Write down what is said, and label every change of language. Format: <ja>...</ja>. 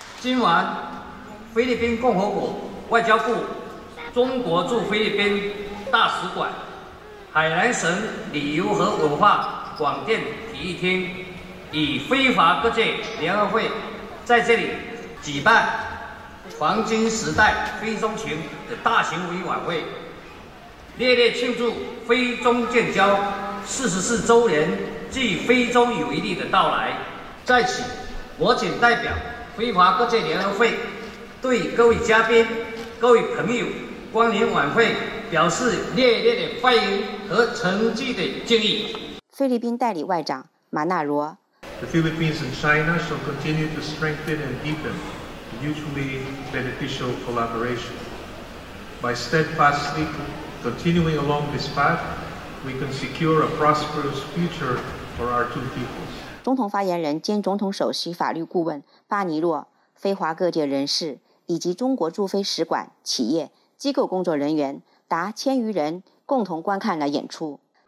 <zh>今晚菲律宾共和国外交部中国驻菲律宾大使馆、海南省旅游和文化广电体育厅与非华各界联合会在这里举办黄金时代非中情的大型文艺晚会，烈烈庆祝非中建交44周年暨非中友谊日的到来。在此，我谨代表非华各界联合会对各位嘉宾、各位朋友光临晚会表示烈烈的欢迎和诚挚的敬意。菲律宾代理外长马纳罗。</zh> <en>The Philippines and China shall continue to strengthen and deepen mutually beneficial collaboration. By steadfastly continuing along this path, we can secure a prosperous future for our two peoples.</en> <zh>总统发言人兼总统首席法律顾问巴尼洛、非华各界人士以及中国驻非使馆、企业、机构工作人员达千余人共同观看了演出。</zh>